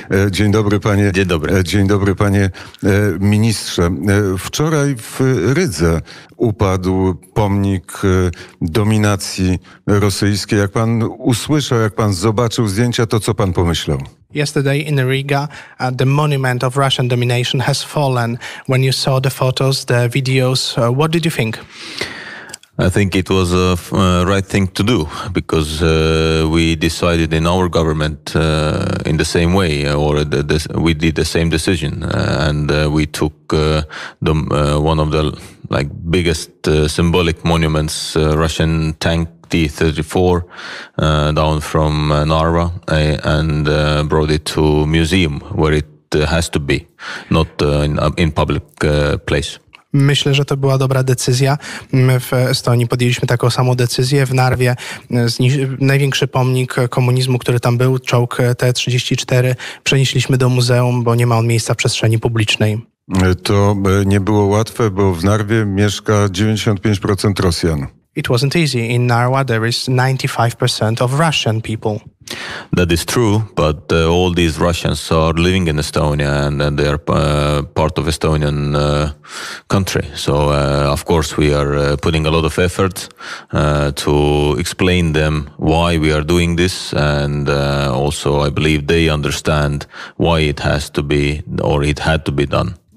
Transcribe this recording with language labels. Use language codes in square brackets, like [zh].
[pl] Dzień dobry, panie ministrze. Wczoraj w Rydze upadł pomnik dominacji rosyjskiej. Jak pan usłyszał, jak pan zobaczył zdjęcia, to co pan pomyślał? [en] Yesterday in Riga, the monument of Russian domination has fallen. When you saw the photos, the videos, what did you think? I think it was a right thing to do, because we decided in our government in the same way, or we did the same decision, and we took one of the biggest symbolic monuments, Russian tank T-34, down from Narva, and brought it to museum where it has to be, not in public place. [pl] Myślę, że to była dobra decyzja. My w Estonii podjęliśmy taką samą decyzję. W Narwie największy pomnik komunizmu, który tam był, czołg T-34, przenieśliśmy do muzeum, bo nie ma on miejsca w przestrzeni publicznej. To nie było łatwe, bo w Narwie mieszka 95% Rosjan. [en] It wasn't easy. In Narva there is 95% of Russian people. That is true, but all these Russians are living in Estonia, and they are part of Estonian country. So, of course, we are putting a lot of effort to explain them why we are doing this, and also I believe they understand why it has to be, or it had to be done.